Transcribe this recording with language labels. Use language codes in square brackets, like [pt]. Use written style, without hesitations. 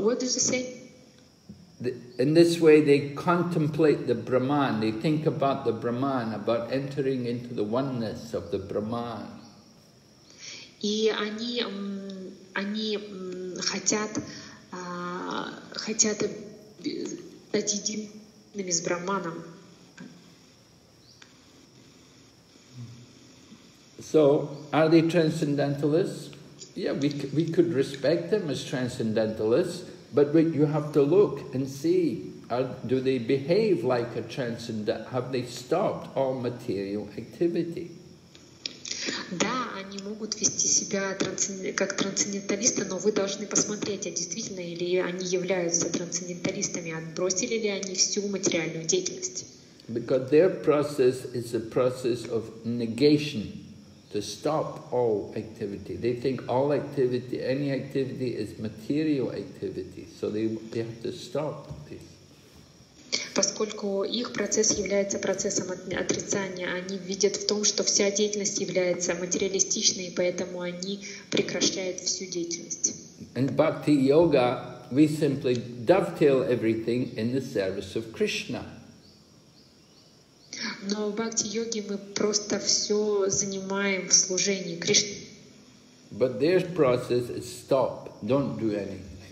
[en] In this way they contemplate the Brahman. They think about the Brahman, about entering into the oneness of the Brahman. [ru] И они хотят стать едиными с Брахманом. [en] So, are they transcendentalists? Yeah, we could respect them as transcendentalists, but you have to look and see, do they behave like a transcendent? Have they stopped all material activity? [ru] Да, они могут вести себя как трансценденталисты, но вы должны посмотреть, а действительно ли они являются трансценденталистами, отбросили ли они всю материальную деятельность. [en] Because their process is a process of negation, to stop all activity. They think all activity, any activity is material activity, so they have to stop this. [ru] Поскольку их процесс является процессом отрицания, они видят в том, что вся деятельность является материалистичной, и поэтому они прекращают всю деятельность. [en] In bhakti yoga, we simply dovetail everything in the service of Krishna. [ru] Но в бхакти йоге мы просто все занимаем в служении Кришне. [en] But their process is stop, don't do anything.